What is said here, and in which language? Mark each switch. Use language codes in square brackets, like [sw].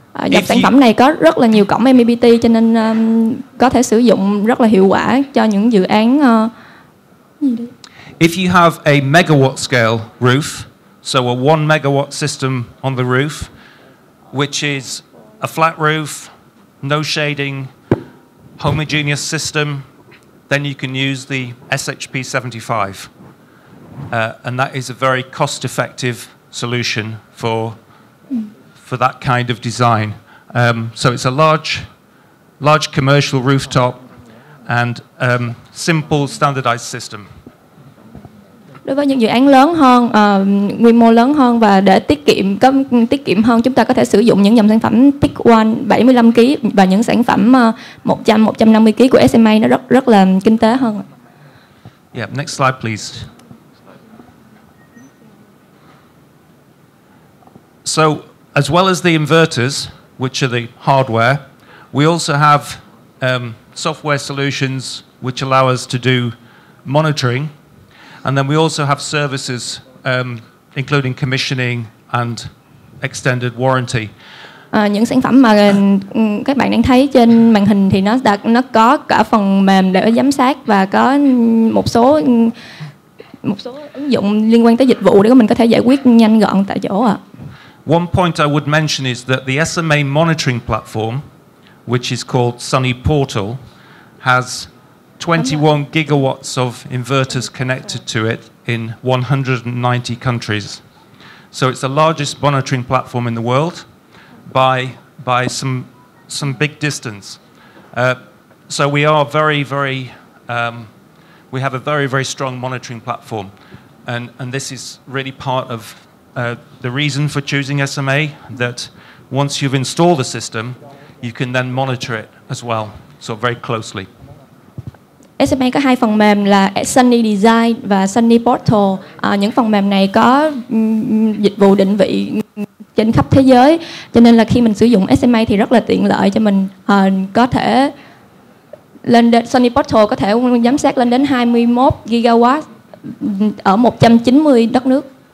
[vi] Dòng sản phẩm này có rất là nhiều cổng MPPT cho nên có thể sử dụng rất là hiệu quả cho những dự án gì đấy. [en] If you have a megawatt scale roof, so a 1 megawatt system on the roof, which is a flat roof, no shading, homogeneous system, then you can use the SHP75. And that is a very cost-effective solution for that kind of design. So it's a large commercial rooftop and simple standardized system. [vi] Đối với những dự án lớn hơn, quy mô lớn hơn và để tiết kiệm hơn, chúng ta có thể sử dụng những dòng sản phẩm Pick One 75 kg và những sản phẩm 100-150 kg của SMA, nó rất là kinh tế hơn. [en] Yeah, next slide please. So, as well as the inverters, which are the hardware, we also have software solutions which allow us to do monitoring. And then we also have services, including commissioning and extended warranty. [vi] Những sản phẩm mà các bạn đang thấy trên màn hình thì nó có cả phần mềm để giám sát và có một số ứng dụng liên quan tới dịch vụ để mình có thể giải quyết nhanh gọn tại chỗ ạ. [en] One point I would mention is that the SMA monitoring platform, which is called Sunny Portal, has 21 gigawatts of inverters connected to it in 190 countries. So it's the largest monitoring platform in the world by some big distance. So we are very, very, we have a very, very strong monitoring platform. And this is really part of the reason for choosing SMA, that once you've installed the system, you can then monitor it as well, so very closely. [vi] SMA có hai phần mềm là Sunny Design và Sunny Portal. Những phần mềm này có dịch vụ định vị trên khắp thế giới, cho nên là khi mình sử dụng SMA thì rất là tiện lợi cho mình. Có thể lên Sunny Portal có thể giám sát lên đến 21 gigawatt ở 190 đất nước.